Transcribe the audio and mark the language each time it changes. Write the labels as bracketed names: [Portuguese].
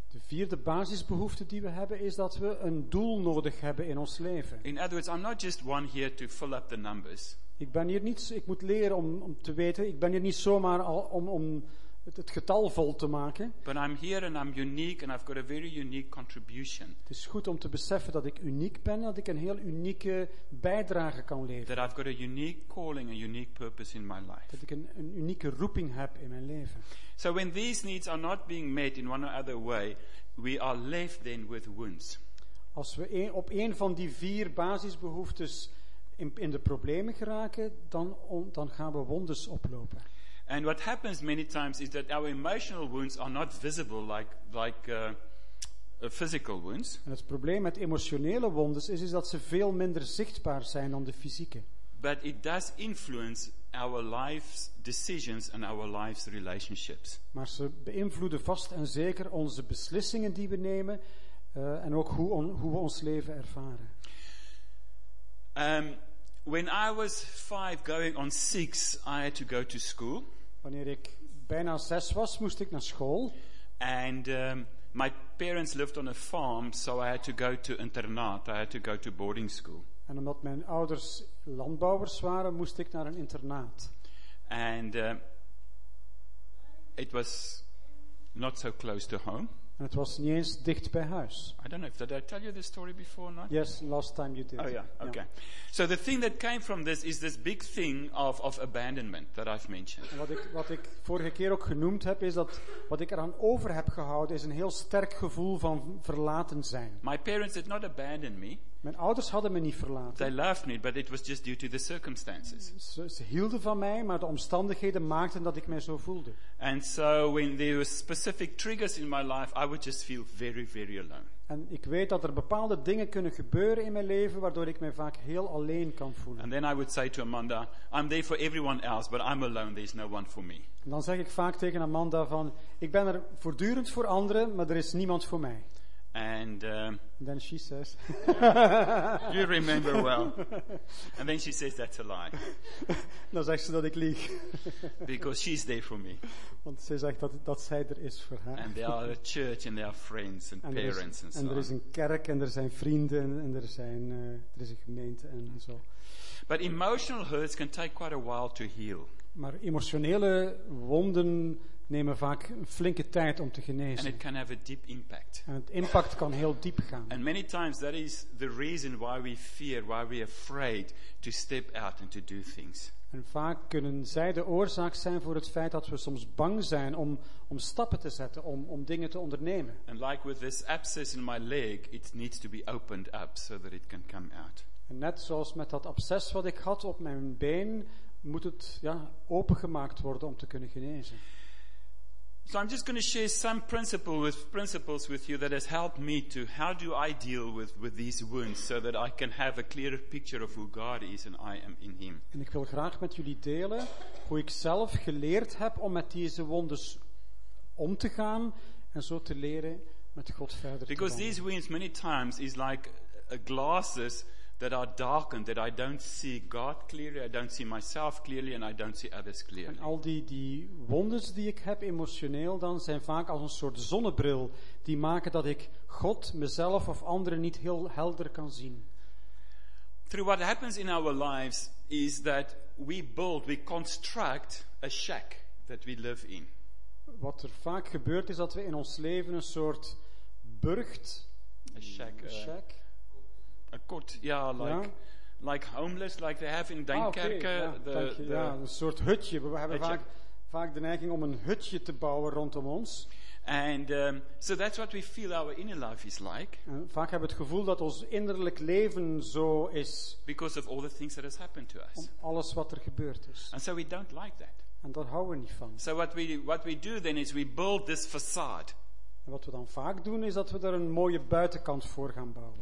[Dutch] De vierde basisbehoefte die we hebben is dat we een doel nodig hebben in ons leven. [English] In other words, I'm not just one here to fill up the numbers. [Dutch] Ik ben hier niet, ik moet leren om te weten, ik ben hier niet zomaar om het getal vol te maken. [English] But I'm here and I'm unique and I've got a very unique contribution. [Dutch] Het is goed om te beseffen dat ik uniek ben, dat ik een heel unieke bijdrage kan leveren. [English] That I've got a unique calling, a unique purpose in my life. [Dutch] Dat ik een unieke roeping heb in mijn leven. [English] So when these needs are not being met in one or other way, we are left then with wounds. [Dutch] Als we op een van die vier basisbehoeftes in de problemen geraken, dan gaan we wondes oplopen. [English] And what happens many times is that our emotional wounds are not visible like physical wounds. [Dutch] En het probleem met emotionele wondes is dat ze veel minder zichtbaar zijn dan de fysieke. [English] But it does influence our life's decisions and our life's relationships. [Dutch] Maar ze beïnvloeden vast en zeker onze beslissingen die we nemen en ook hoe we ons leven ervaren. [English] When I was 5 going on 6, I had to go to school. [Dutch] Wanneer ik bijna 6 was, moest ik naar school. [English] And my parents lived on a farm, so I had to go to internaat. I had to go to boarding school. [Dutch] En omdat mijn ouders landbouwers waren, moest ik naar een internaat. [English] And it was not so close to home. [Dutch] En het was niet eens dicht bij huis. [English] I don't know if did I tell you this story before or not? Yes, last time you did. Oh yeah, okay. Yeah. So the thing that came from this is this big thing of abandonment that I've mentioned. [Dutch] Wat ik vorige keer ook genoemd heb is dat wat ik eraan over heb gehouden is een heel sterk gevoel van verlaten zijn. [English] My parents did not abandon me. [Dutch] Mijn ouders hadden me niet verlaten. [English] They loved me, but it was just due to the circumstances. [Dutch] Ze hielden van mij, maar de omstandigheden maakten dat ik mij zo voelde. [English] And so when there were specific triggers in my life, I would just feel very, very alone. [Dutch] En ik weet dat er bepaalde dingen kunnen gebeuren in mijn leven waardoor ik mij vaak heel alleen kan voelen. [English] And then I would say to Amanda, I'm there for everyone else, but I'm alone, there's no one for me. [Dutch] En dan zeg ik vaak tegen Amanda van ik ben er voortdurend voor anderen, maar er is niemand voor mij. [English] And then she says, "You remember well." And then she says, "That's a lie." [Dutch] Dan zegt ze dat ik lieg. [English] Because she's there for me. [Dutch] Want ze zegt dat zij er is voor haar. [English] And there are a church, and there are friends and parents and so on. [Dutch] En er is een kerk en er zijn vrienden en er is een gemeente en zo. [English] But emotional hurts can take quite a while to heal. [Dutch] Maar emotionele wonden nemen vaak een flinke tijd om te genezen. [English] And it can have a deep impact. [Dutch] En het impact kan heel diep gaan. [English] And many times that is the reason why we fear, why we are afraid to step out and to do things. [Dutch] En vaak kunnen zij de oorzaak zijn voor het feit dat we soms bang zijn om stappen te zetten, om dingen te ondernemen. [English] And like with this abscess in my leg, it needs to be opened up so that it can come out. [Dutch] En net zoals met dat abscess wat ik had op mijn been, moet het opengemaakt worden om te kunnen genezen. [English] So I'm just going to share some principles with you that has helped me to how do I deal with these wounds so that I can have a clearer picture of who God is and I am in Him. [Dutch] En ik wil graag met jullie delen hoe ik zelf geleerd heb om met deze wondes om te gaan en zo te leren met God verder te gaan. [English] Because these wounds many times is like a glasses that are darkened, that I don't see God clearly, I don't see myself clearly, and I don't see others clearly. [Dutch] En al die wondes die ik heb emotioneel dan, zijn vaak als een soort zonnebril, die maken dat ik God, mezelf of anderen niet heel helder kan zien. [English] Through what happens in our lives, is that we construct a shack that we live in. [Dutch] Wat er vaak gebeurt is dat we in ons leven een soort burcht, [English] a shack. A kot, like homeless, like they have in Denkerke. [Dutch] Een soort hutje. We hebben vaak de neiging om een hutje te bouwen rondom ons. [English] And so that's what we feel our inner life is like. [Dutch] Vaak hebben we het gevoel dat ons innerlijk leven zo is. [English] Because of all the things that has happened to us. [Dutch] Om alles wat er gebeurd is. [English] And so we don't like that. [Dutch] En dat houden we niet van. [English] So what we do then is we build this facade. [Dutch] En wat we dan vaak doen is dat we er een mooie buitenkant voor gaan bouwen.